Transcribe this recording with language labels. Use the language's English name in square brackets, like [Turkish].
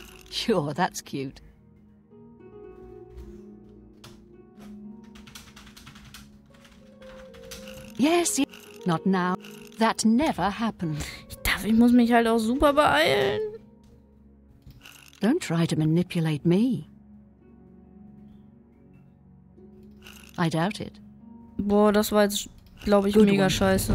[English] Sure, that's cute. Yes, yes, not now. That never happened. [German] Ich muss mich halt auch super beeilen. [English] Don't try to manipulate me. I doubt it. [German] Boah, das war jetzt, glaube ich, mega scheiße.